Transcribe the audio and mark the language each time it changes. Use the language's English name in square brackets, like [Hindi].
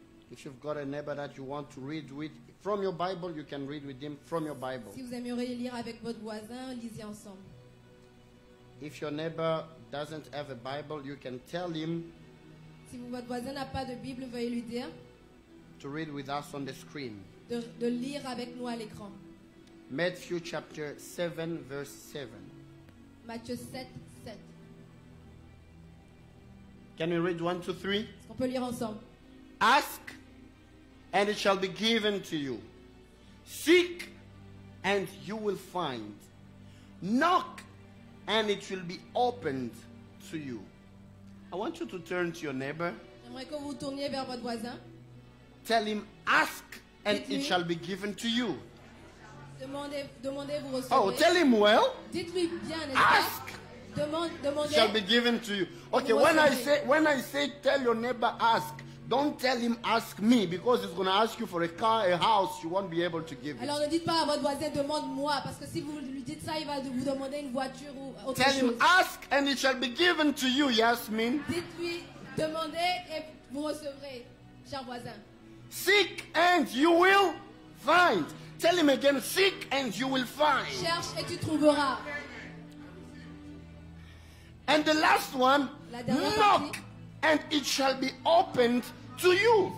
[English] If you've got a neighbor that you want to read with from your Bible, you can read with him from your Bible. [French] Si vous aimeriez lire avec votre voisin, lisez ensemble. [English] If your neighbor doesn't have a Bible, you can tell him. [French] Si votre voisin n'a pas de Bible, veuillez lui dire. [English] To read with us on the screen. [French] De lire avec nous à l'écran. [English] Matthew chapter 7 verse 7. [French] Matthieu 7, 7. [English] Can we read 1, 2, 3? [French] Est-ce qu'on peut lire ensemble? [English] Ask and it shall be given to you. Seek and you will find. Knock and it will be opened to you. I want you to turn to your neighbor. [French] J'aimerais que vous tourniez vers votre voisin. [English] Tell him, ask and it shall be given to you. [French] Demandez, vous recevez. [English] Oh, tell him well. [French] Dites-lui bien, n'est-ce [English] ask. [French] Pas? Demandez. [English] Shall be given to you. Okay, when I say tell your neighbor ask, don't tell him ask me because he's going to ask you for a car, a house, you won't be able to give it. [French] Alors ne dites pas à votre voisin demande-moi parce que si vous lui dites ça, il va vous demander une voiture ou autre [English] tell [French] chose. [English] Tell him ask and it shall be given to you, Yasmin. [French] Dites-lui demandez et vous recevrez, cher voisin. [English] Seek and you will find. Tell him again, seek and you will find. [French] Cherche et tu trouveras. [English] And the last one, [French] la dernière partie, [English] knock and it shall be opened to you.